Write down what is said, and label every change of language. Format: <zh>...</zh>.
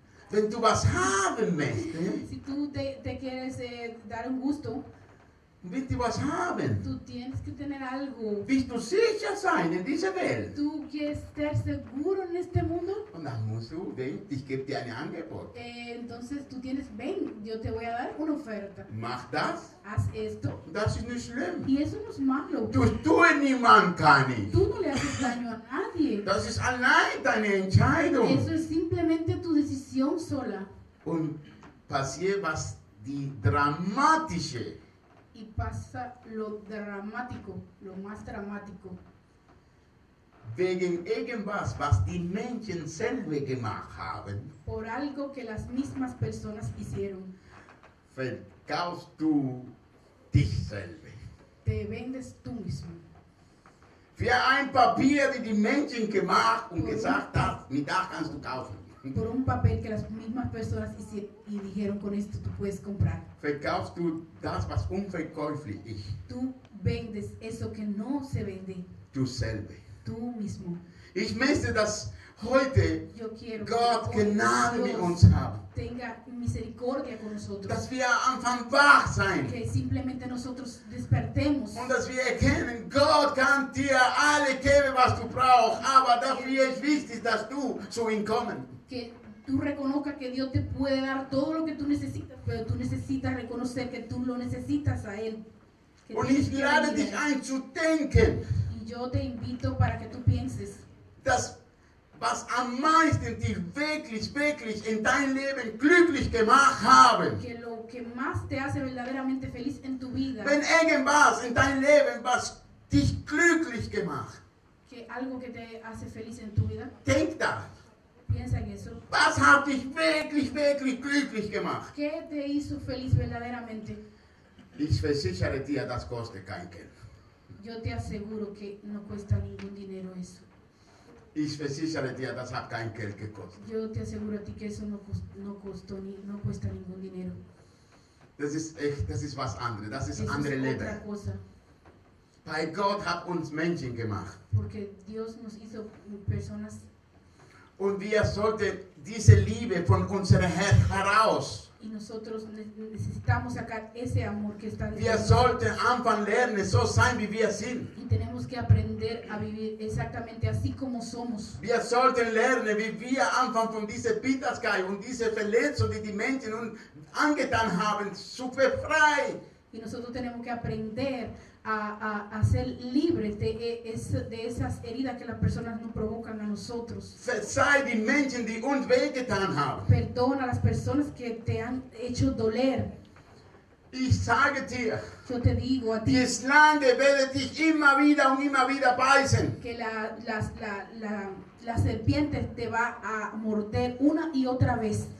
<de>wenn du was haben möchtest.</de> <es>Si tú te quieres dar un gusto.</es> <de>Wenn du was haben.</de> <es>Tú tienes que tener algo.</es> <de>Willst du sicher sein in dieser Welt?</de> <es>Tú quieres estar seguro en este mundo.</es> <de>Und dann musst du,</de> <es>ven,</es> <de>ich gebe dir ein Angebot.</de> <es>Entonces tú tienes, ven, yo te voy a dar una oferta.</es> <de>Mach das.</de> <es>Haz esto.</es> <de>Das ist nicht schlimm.</de> <es>Y eso no es malo.</es> <de>Du tust niemand kann ich.</de> <es>Tú no le haces daño a nadie.</es> <de>Das ist allein deine Entscheidung.</de> <es>Eso es simplemente tu decisión sola.</es> <de>Und passiert was die dramatische.</de> <es>Y pasa lo dramático, lo más dramático.</es> <de>Wegen irgendwas, was die Menschen selber gemacht haben.</de> <es>Por algo que las mismas personas hicieron.</es> <de>Verkaufst du dich selber.</de> <es>Te vendes tú mismo.</es> <de>Für ein Papier, das die Menschen gemacht und gesagt haben, mit das kannst du kaufen.</de> <es>Por un papel que las mismas personas hicieron y dijeron con esto tú puedes comprar.</es> <de>Verkaufst du das, was unverkäuflich ist?</de> <es>Tú vendes eso que no se vende. Tú</es> <de>selber.</de> <es>Tú mismo.</es> <de>Ich möchte, dass heute Gott Gnade mit uns hat.</de> <es>Tenga misericordia con nosotros.</es> <de>Dass wir anfangen wach sein.</de> <es>Que simplemente nosotros despertemos.</es> <de>Und dass wir erkennen, Gott kann dir alle geben, was du brauchst. Aber dafür ist wichtig, dass du zu ihm kommen.</de> <es>Que tú reconozcas que Dios te puede dar todo lo que tú necesitas, pero tú necesitas reconocer que tú lo necesitas a él.</es> <de>Und ich lade dich ein zu denken.</de> <es>Y yo te invito para que tú pienses.</es> <de>Dass was am meisten dich wirklich, wirklich in dein Leben glücklich gemacht haben.</de> <es>Que lo que más te hace verdaderamente feliz en tu vida.</es> <de>Wenn irgendwas in dein Leben was dich glücklich gemacht.</de> <es>Que algo que te hace feliz en tu vida.</es> <de>Denk da.</de> <es>Piensa en eso.</es> <de>Was hat dich wirklich, wirklich glücklich gemacht?</de> <es>Que te hizo feliz verdaderamente.</es> <de>Ich versichere dir, das kostet kein Geld.</de> <es>Yo te aseguro que no cuesta ningún dinero eso.</es> <de>Ich versichere dir, das hat kein Geld gekostet.</de> <es>Yo te aseguro a ti que eso no cuesta ningún dinero.</es> <de>Das ist was anderes. Das ist andere</de> <es>es</es> <de>Leben.</de> <es>Otra cosa.</es> <de>Bei Gott hat uns Menschen gemacht.</de> <es>Porque Dios nos hizo personas.</es> <de>Und wir sollten diese Liebe von unserem Herz heraus.</de> <es>Y nosotros necesitamos sacar ese amor que está dentro.</es> <de>Wir sollten anfangen lernen, so sein wie wir sind.</de> <es>Tenemos que aprender a vivir exactamente así como somos.</es> <de>Wir sollten lernen, wie wir anfangen von dieser Bitterkeit und dieser Verletzung, die die Menschen uns angetan haben, zu befreien.</de> <es>Y nosotros tenemos que aprender a ser libres de esas heridas que las personas nos provocan a nosotros.</es> <de>Verzeih die Menschen, die uns wehgetan haben.</de> <es>Perdona a las personas que te han hecho doler.</es> <de>Ich sage dir,</de> <es>yo te digo a ti,</es> <de>die Schlange werde dich immer wieder und immer wieder beißen.</de> <es>Que la serpiente te va a morder una y otra vez.</es>